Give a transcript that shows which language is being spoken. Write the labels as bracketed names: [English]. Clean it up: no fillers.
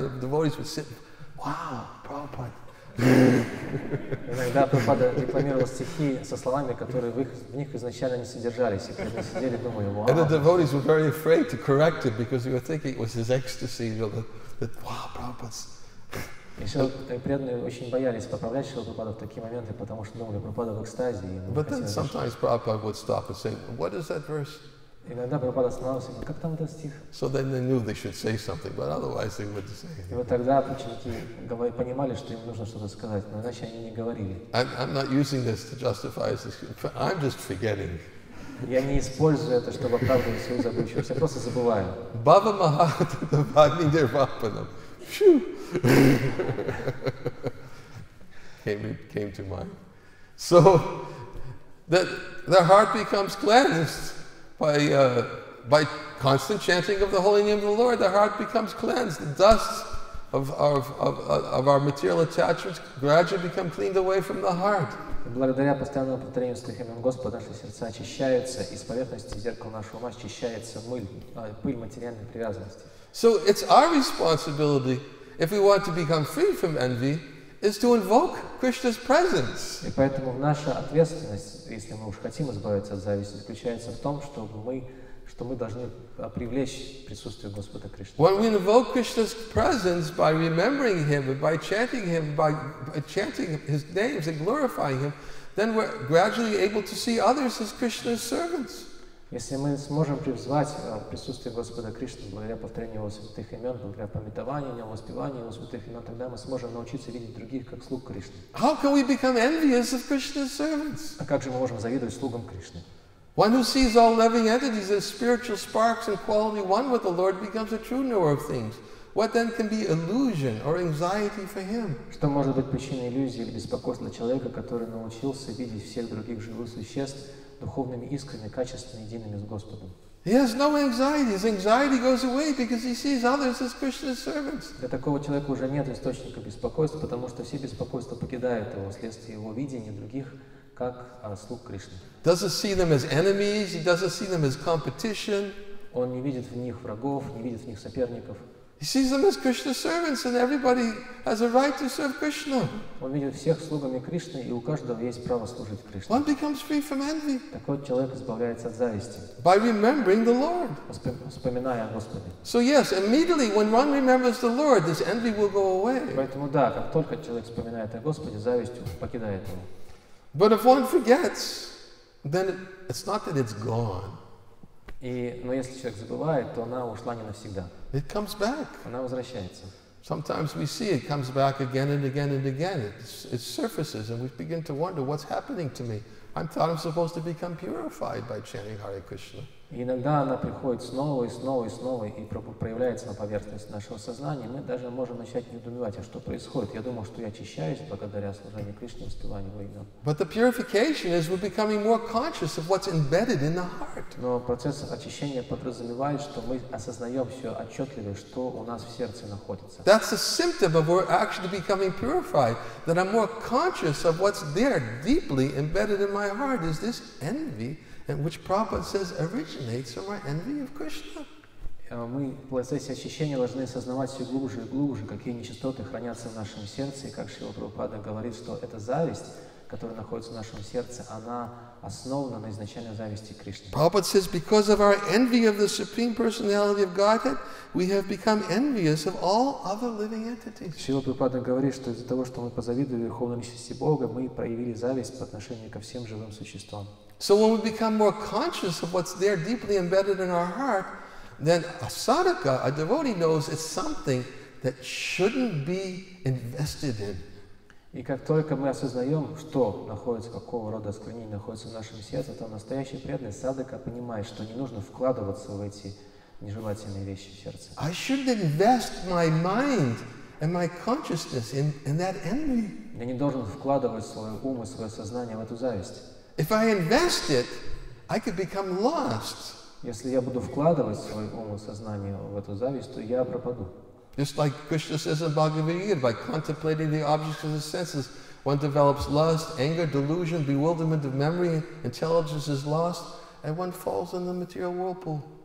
[English] The devotees would sit, wow, Prabhupada. And the devotees were very afraid to correct him because they were thinking it was his ecstasy, you know, that wow, Prabhupada's. [Russian] И все преданные очень боялись поправлять Шрила Прабхупаду в такие моменты, потому что думали, Прабхупада в экстазе. [English] But then sometimes Prabhupada would stop and say, what is that verse? [Russian] Иногда Прабхупада останавливался и говорил, как там этот стих? [English] So then they knew they should say something, but otherwise they wouldn't say anything. [Russian] И вот тогда ученики понимали, что им нужно что-то сказать, но иначе они не говорили. [English] I'm not using this to justify this, I'm just forgetting. [Russian] Я не использую это, чтобы оправдывать свою забывчивость, я просто забываю. [Sanskrit] Баба Махатта Бхагни Дирвапанам. [English] came to mind. So that the heart becomes cleansed by constant chanting of the holy name of the Lord. The heart becomes cleansed. The dust of our material attachments gradually become cleaned away from the heart. [Russian] Благодаря постоянному повторению святых имен Господа наши сердца очищаются, и с поверхности зеркала нашего ума очищается пыль материальной привязанности. [English] So it's our responsibility. If we want to become free from envy, is to invoke Krishna's presence. [Russian] И поэтому наша ответственность, если мы уж хотим избавиться от зависти, заключается в том, что мы должны привлечь присутствие Господа Кришны. [English] When we invoke Krishna's presence by remembering Him, by chanting Him, by chanting His names and glorifying Him, then we're gradually able to see others as Krishna's servants. [Russian] Если мы сможем призвать присутствие Господа Кришны благодаря повторению Его святых имен, благодаря памятованию о Нем, воспеванию Его святых имен, тогда мы сможем научиться видеть других как слуг Кришны. [English] How can we become envious of Krishna's servants? [Russian] А как же мы можем завидовать слугам Кришны? [English] One who sees all living entities as spiritual sparks and quality one with the Lord becomes a true knower of things. What then can be illusion or anxiety for him? [Russian] Что может быть причиной иллюзии или беспокойства для человека, который научился видеть всех других живых существ духовными искрами, качественно едиными с Господом? [English] He has no anxiety. His anxiety goes away because he sees others as Krishna's servants. [Russian] Для такого человека уже нет источника беспокойства, потому что все беспокойства покидают его вследствие его видения других как слуг Кришны. [English] Doesn't see them as enemies. He doesn't see them as competition. [Russian] Он не видит в них врагов, не видит в них соперников. [English] He sees them as Krishna's servants, and everybody has a right to serve Krishna. [Russian] Он видит всех слугами Кришны, и у каждого есть право служить Кришне. [English] One becomes free from envy. [Russian] Такой человек избавляется от зависти. [English] By remembering the Lord. [Russian] Вспоминая Господа. [English] So yes, immediately when one remembers the Lord, this envy will go away. [Russian] Поэтому да, как только человек вспоминает о Господе, зависть покидает его. [English] But if one forgets, then it's not that it's gone. [Russian] И, но если человек забывает, то она ушла не навсегда. [English] It comes back. [Russian] Она возвращается. [English] Sometimes we see it comes back again and again and again. It surfaces and we begin to wonder what's happening to me. I thought I'm supposed to become purified by chanting Hare Krishna. [Russian] И иногда она приходит снова и снова и снова и проявляется на поверхность нашего сознания. Мы даже можем начать недоумевать, а что происходит? Я думал, что я очищаюсь благодаря служению Кришне, воспеванию во имя. [English] But the purification is we're becoming more conscious of what's embedded in the heart. [Russian] Но процесс очищения подразумевает, что мы осознаем все отчетливее, что у нас в сердце находится. [English] That's a symptom of we're actually becoming purified, that I'm more conscious of what's there deeply embedded in my heart is this envy. And which Prabhupada says originates from our envy of Krishna. [Russian] Мы в процессе очищения должны осознавать все глубже и глубже, какие нечистоты хранятся в нашем сердце, и как Шрила Прабхупада говорит, что эта зависть, которая находится в нашем сердце, она основана на изначальной зависти к Кришне. [English] Prabhupada says, because of our envy of the Supreme Personality of Godhead, we have become envious of all other living entities. [Russian] Шрила Прабхупада говорит, что из-за того, что мы позавидовали Верховной Личности Бога, мы проявили зависть по отношению ко всем живым существам. [English] So when we become more conscious of what's there deeply embedded in our heart, then a sadhaka, a devotee, knows it's something that shouldn't be invested in. [Russian] И как только мы осознаем, что находится, какого рода склонение находится в нашем сердце, то настоящий преданный садхака понимает, что не нужно вкладываться в эти нежелательные вещи в сердце. [English] I shouldn't invest my mind and my consciousness in that envy. [Russian] Я не должен вкладывать свой ум и свое сознание в эту зависть. [English] If I invest it, I could become lost. [Russian] Если я буду вкладывать свой ум и сознание в эту зависть, то я пропаду. [English] Just like Krishna says in Bhagavad Gita, by contemplating the objects of the senses, one develops lust, anger, delusion, bewilderment of memory, intelligence is lost, and one falls in the material whirlpool.